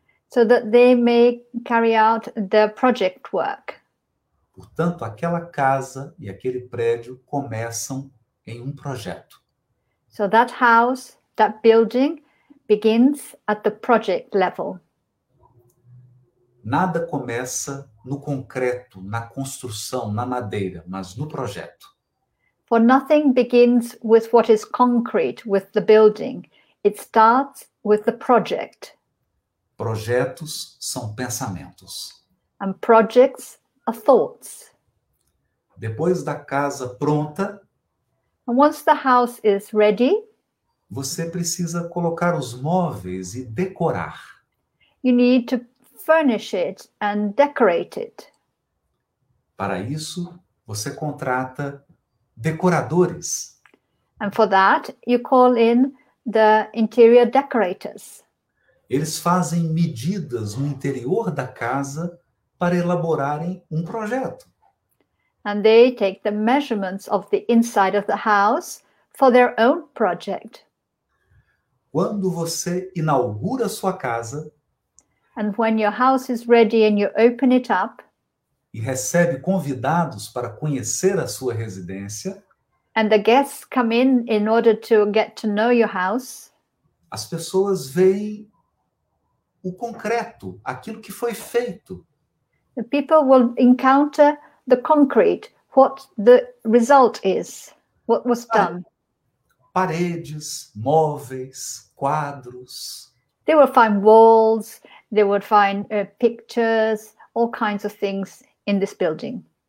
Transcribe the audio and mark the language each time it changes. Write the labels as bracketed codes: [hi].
[en] So that they may carry out the project work. [pt] Portanto, aquela casa e aquele prédio começam em um projeto. [en] So that house, that building, begins at the project level. [pt] Nada começa no concreto, na construção, na madeira, mas no projeto. [en] For nothing begins with what is concrete, with the building. It starts with the project. [pt] Projetos são pensamentos. [en] And projects thoughts. [pt] Depois da casa pronta, [en] and once the house is ready, [pt] você precisa colocar os móveis e decorar. [en] You need to furnish it and decorate it. [pt] Para isso, você contrata decoradores. [en] And for that, you call in the interior decorators. [pt] Eles fazem medidas no interior da casa para elaborarem um projeto. [en] And they take the measurements of the inside of the house for their own project. [pt] Quando você inaugura sua casa, [en] and when your house is ready and you open it up, [pt] e recebe convidados para conhecer a sua residência, [en] and the guests come in order to get to know your house, [pt] as pessoas veem o concreto, aquilo que foi feito. [en] The people will encounter the concrete, what the result is, what was done. [pt] Paredes, móveis, quadros. [en] They will find walls, they will find pictures, all kinds of things in this building.